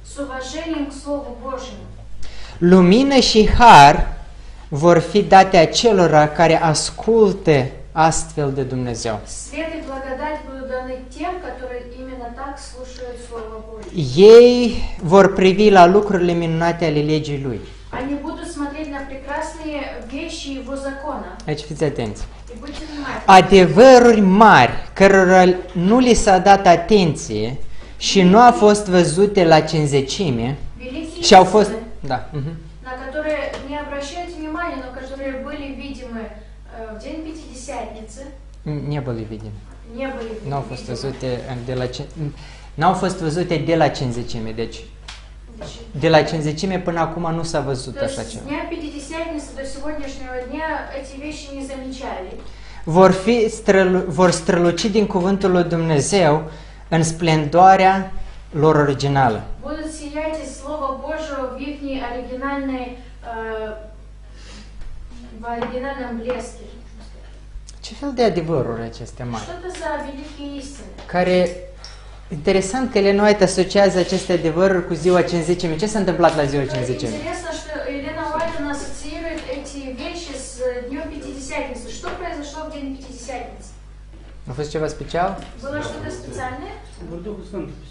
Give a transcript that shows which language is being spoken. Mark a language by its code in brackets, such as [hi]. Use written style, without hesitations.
[ru] С уважением к Слову Божьему. [ro] Lumină și har vor fi date acelora care ascultă astfel de Dumnezeu. [ru] Свет и благодать будут даны тем, которые именно так слушают Слово Божье. [ro] Ei vor privi la lucrurile minunate ale legii Lui. [ru] Они будут смотреть на прекрасные вещи Его закона. [ro] Aici fiți atenți. Adevăruri mari, cărora nu li s-a dat atenție, și nu a fost văzute la cinzecime și au fost da. [ru] На которые не обращают внимания, но которые были видимы в день пятидесятницы. Не были видимы. Не были. [ro] Nu au fost văzute de la n-au fost văzute de la cinzecime, deci. De la cinzecime până acum nu s-a văzut așa ceva. [ru] Дня пятидесятницы до сегодняшнего дня эти вещи не замечали. [ro] Vor străluci din cuvântul lui Dumnezeu în splendoarea lor originală. [ru] Будут сиять из слова Божьего в их оригинальной в оригинальном блеске. [ro] Ce fel de adevăruri acestea mari? [ru] Что это за великие истины? [ro] Care interesant că Elena White asociază aceste adevăruri cu ziua 50-mi. Ce s-a întâmplat la ziua 50-mi? [ru] Интересно, что Елена White ассоциирует эти вещи с днём пятидесятницы. Что произошло в день пятидесятницы? [ro] A fost ceva special? [ru] Было что-то специальное?